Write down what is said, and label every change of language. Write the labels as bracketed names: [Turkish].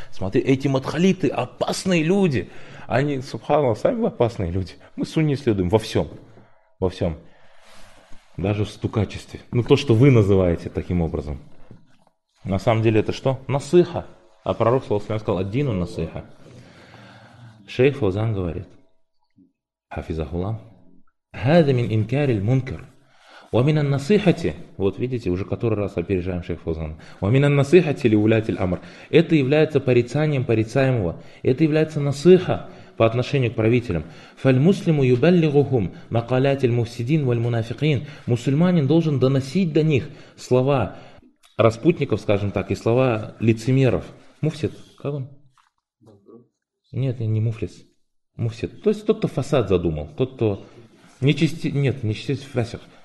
[Russian] Смотри, эти мадхалиты опасные люди. Они, субханаллах, сами опасные люди. Мы сунни следуем во всем. Во всем. Даже в стукачестве. Ну, то, что вы называете таким образом. На самом деле это что? Насыха. А пророк, саллаллаху алейхи вассалям, сказал: [Arabic] аддину насыха. [Russian] Шейх Фаузан говорит, хафизахуллах, [Arabic] هذا من إنكار المنكر ومن النصيحة. [Russian] Вот видите, уже который раз опережаем шейх Фаузан. [Arabic] ومن النصيحة لولات الأمر. [Russian] Это является порицанием порицаемого. Это является насыха по отношению к правителям. [Arabic] فالمسلم يبلغهم مقالات المفسدين والمنافقين. [Russian] Мусульманин должен доносить до них слова распутников, скажем так, и слова лицемеров. Муфсид, как он? Нет, не муфлис. Муфсид. То есть тот, кто фасад задумал, тот, кто Нечестивый фасих.